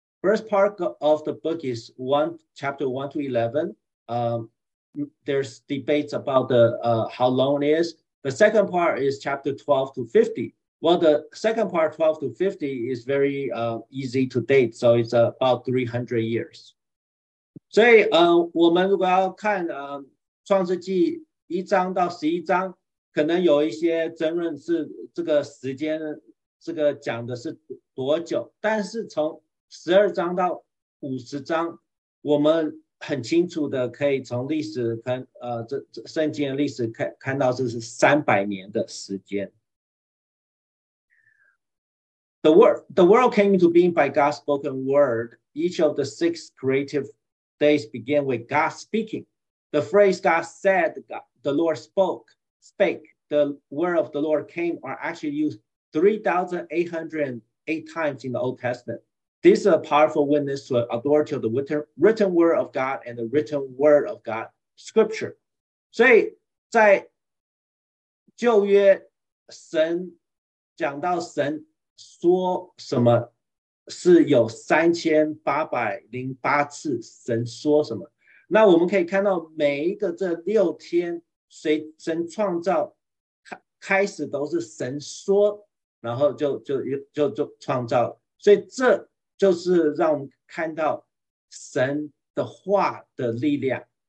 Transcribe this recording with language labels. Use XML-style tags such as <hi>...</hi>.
<en>First part of the book is chapter 1 to 11. There's debates about how long it is. The second part is chapter 12 to 50. Well, the second part, 12 to 50, is very easy to date. So it's about 300 years.</en> <zh>所以我们如果要看创世纪一章到十一章，可能有一些争论是这个时间，这个讲的是多久。但是从十二章到五十章，我们很清楚的可以从历史看，圣经的历史看到这是300年的时间。</zh> <en>The world came into being by God's spoken word. Each of the six creative days began with God speaking. The phrase God said, the Lord spake, the word of the Lord came are actually used 3,808 times in the Old Testament. This is a powerful witness to the authority of the written word of God and the written word of God, scripture.</en> <zh>所以在旧约神讲到神说什么是有3808次神说什么，那我们可以看到每一个这六天随神创造开始都是神说，然后就创造，所以这就是让我们看到神的话的力量。</zh>